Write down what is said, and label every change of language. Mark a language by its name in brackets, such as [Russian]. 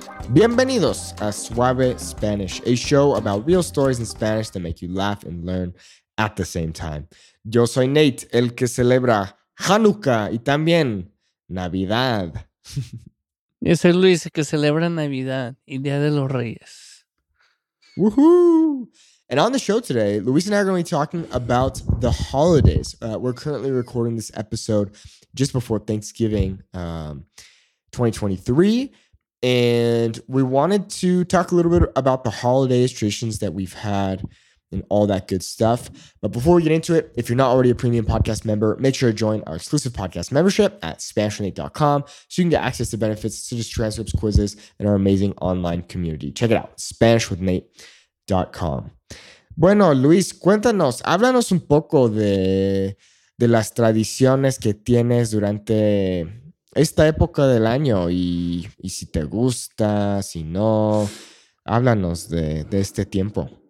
[Spanish] Bienvenidos [English] a Suave Spanish, a show about real stories in Spanish that make you laugh and learn at the same time. [Spanish] Yo soy Nate, el que celebra Hanukkah y también Navidad. Yo soy Luis, el que celebra Navidad y Día de los Reyes. Woohoo! [English] And on the show today, Luis and I are going to be talking about the holidays. We're currently recording this episode just before Thanksgiving 2023. And we wanted to talk a little bit about the holidays, traditions that we've had, and all that good stuff. But before we get into it, if you're not already a premium podcast member, make sure to join our exclusive podcast membership at SpanishNate.com so you can get access to benefits such as transcripts, quizzes, and our amazing online community. Check it out, SpanishWithNate.com. [Spanish] Bueno, Luis, cuéntanos, háblanos un poco de las tradiciones que tienes durante esta época del año y si te gusta, si no, háblanos de este tiempo.